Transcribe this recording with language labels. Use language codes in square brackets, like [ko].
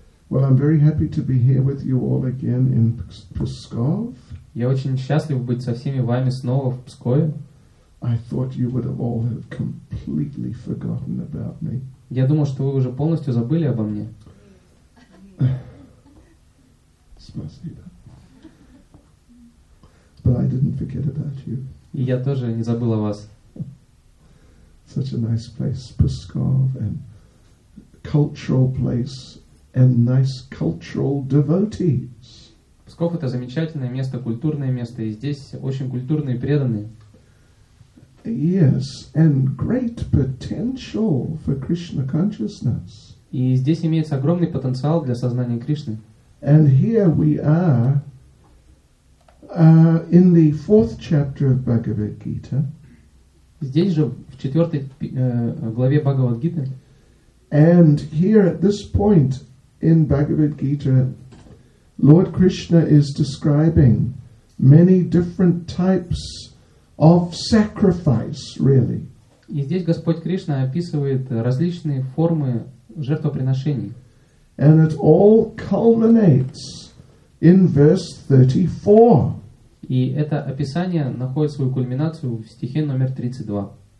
[en] Well, I'm very happy to be here with you all again in Pskov. [ru] Я очень счастлив быть со всеми вами снова в Пскове. [en] I thought you would have all have completely forgotten about me. [ru] Я думал, что вы уже полностью забыли обо мне. Спасибо. [en] But I didn't forget about you. [ru] И я тоже не забыл о вас. [en] Such a nice place, Pskov, and cultural place, and nice cultural devotees. [ru] Псков — это замечательное место, культурное место, и здесь очень культурные преданные. [en] Yes, and great potential for Krishna consciousness. [ru] И здесь имеется огромный потенциал для сознания Кришны. [en] And here we are in the fourth chapter of Bhagavad Gita. [ru] Здесь же в четвертой главе Бхагавад Гиты. [en] And here at this point in Bhagavad Gita, Lord Krishna is describing many different types of sacrifice, really. [ru] И здесь Господь Кришна описывает различные формы жертвоприношений. [en] And it all culminates in verse 34. [ru] И это описание находит свою кульминацию в стихе номер 32.